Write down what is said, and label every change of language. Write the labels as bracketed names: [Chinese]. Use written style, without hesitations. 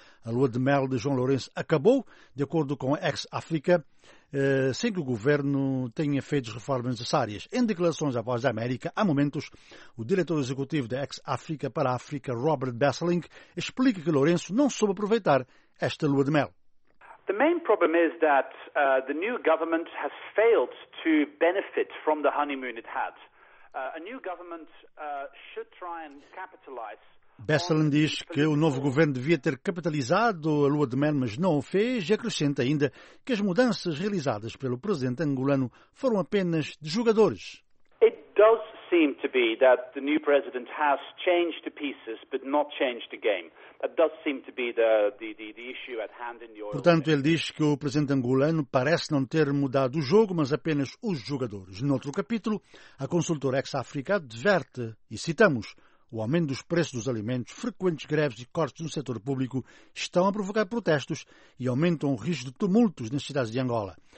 [Portuguese] A lua de mel de João Lourenço acabou, de acordo com a Ex-África, sem que o governo tenha feito as reformas necessárias. Em declarações à Voz da América, há momentos, o diretor executivo da Ex-África para a África, Robert Besseling, explica que Lourenço não soube aproveitar esta lua de mel. [English] The main problem is that the new government has failed to benefit from the honeymoon it had. A new government should try and capitalize. [Portuguese] Besseling diz que o novo governo devia ter capitalizado a lua de mel, mas não o fez, e acrescenta ainda que as mudanças realizadas pelo presidente angolano foram apenas de jogadores. [English] It does seem to be that the new president has changed the pieces, but not changed the game. That does seem to be the issue at hand in the oil. [Portuguese] Portanto, ele diz que o presidente angolano parece não ter mudado o jogo, mas apenas os jogadores. Noutro capítulo, a consultora Ex-África adverte, e citamos: o aumento dos preços dos alimentos, frequentes greves e cortes no setor público estão a provocar protestos e aumentam o risco de tumultos nas cidades de Angola.